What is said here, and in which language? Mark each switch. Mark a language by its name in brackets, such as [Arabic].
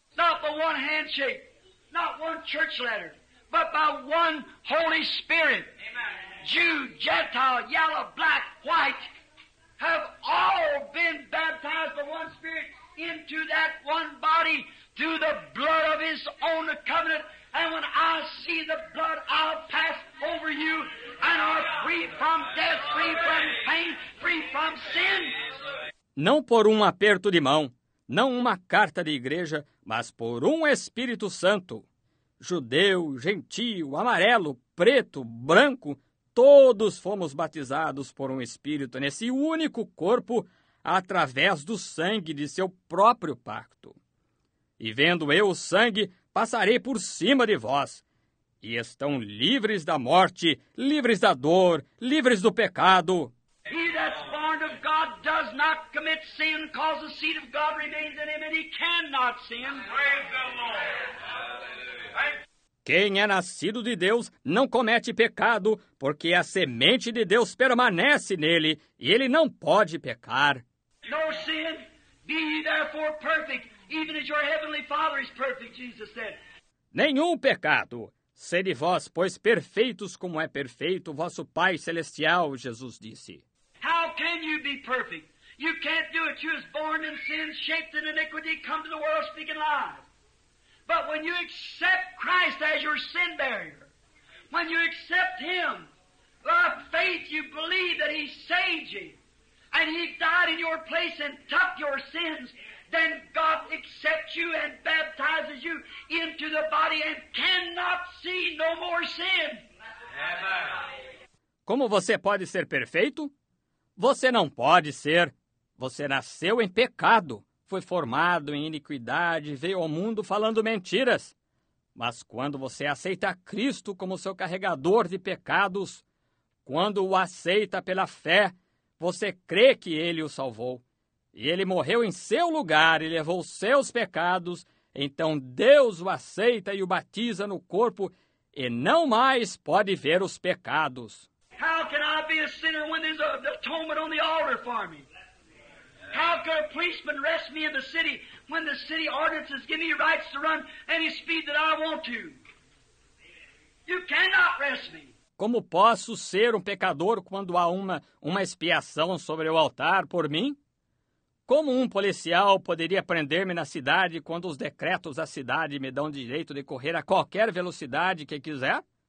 [English] Not by one handshake, not one church letter, but by one Holy Spirit. Amen. Jew, Gentile, yellow, black, white, have all been baptized by one Spirit into that one body through the blood of his own covenant. And when I see the blood, I'll pass over you and are free from death, free from pain, free from sin. [Portuguese] Não por um aperto de mão, não uma carta de igreja, mas por um Espírito Santo. Judeu, gentio, amarelo, preto, branco, todos fomos batizados por um Espírito nesse único corpo através do sangue de seu próprio pacto. E vendo eu o sangue, passarei por cima de vós, e estão livres da morte, livres da dor, livres do pecado. [English] He that's born of God does not commit sin, cause the seed of God remains in him, and he cannot sin. Praise the Lord. [Portuguese] Quem é nascido de Deus não comete pecado, porque a semente de Deus permanece nele, e ele não pode pecar. [English] No sin, be ye therefore perfect. Even as your heavenly Father is perfect, Jesus said. [Portuguese] Nenhum pecado. Sede vós, pois, perfeitos como é perfeito vosso Pai Celestial, Jesus disse. [English] How can you be perfect? You can't do it. You was born in sin, shaped in iniquity, come to the world speaking lies. But when you accept Christ as your sin barrier, when you accept him, by faith you believe that he saved you, and he died in your place and took your sins, then God accepts you and baptizes you into the body and cannot see no more sin. [Portuguese] Como você pode ser perfeito? Você não pode ser. Você nasceu em pecado, foi formado em iniquidade, veio ao mundo falando mentiras. Mas quando você aceita Cristo como seu carregador de pecados, quando o aceita pela fé, você crê que ele o salvou. E ele morreu em seu lugar e levou seus pecados, então Deus o aceita e o batiza no corpo e não mais pode ver os pecados. [English] How can I be a sinner when there's an atonement on the altar for me? How can a policeman arrest me in the city when the city ordinances give me rights to run any speed that I want to? You cannot arrest me. [Portuguese] Como posso ser um pecador quando há uma expiação sobre o altar por mim? Como um policial poderia prender-me na cidade quando os decretos da cidade me dão direito de correr a qualquer velocidade que quiser?